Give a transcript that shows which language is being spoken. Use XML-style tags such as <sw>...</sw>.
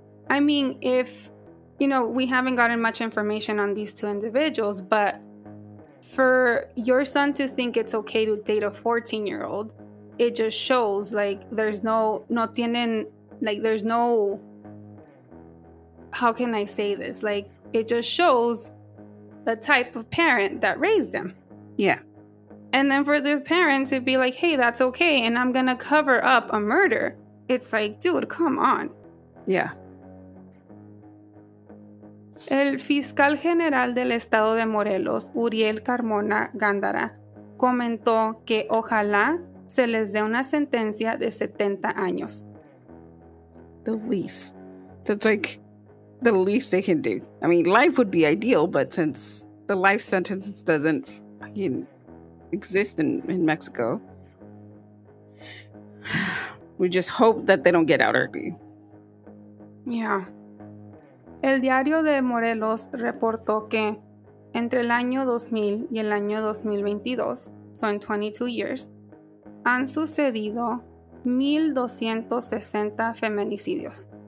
<en>I mean, if, you know, we haven't gotten much information on these two individuals, but for your son to think it's okay to date a 14-year-old, it just shows, like, there's no,</en> <es>no tienen,</es> <en>like, there's no, how can I say this? Like, it just shows the type of parent that raised them. Yeah. And then for this parent to be like, hey, that's okay, and I'm gonna cover up a murder. It's like, dude, come on. Yeah.</en> <es>El fiscal general del estado de Morelos, Uriel Carmona Gándara, comentó que ojalá se les dé una sentencia de 70 años.</es> <en>The least. That's like the least they can do. I mean, life would be ideal, but since the life sentence doesn't fucking exist in Mexico, we just hope that they don't get out early. Yeah.</en> <es>El diario de Morelos reportó que entre el año 2000 y el año 2022,</es> <en>so in 22 years,</en> <es>han sucedido 1,260 feminicidios.</es>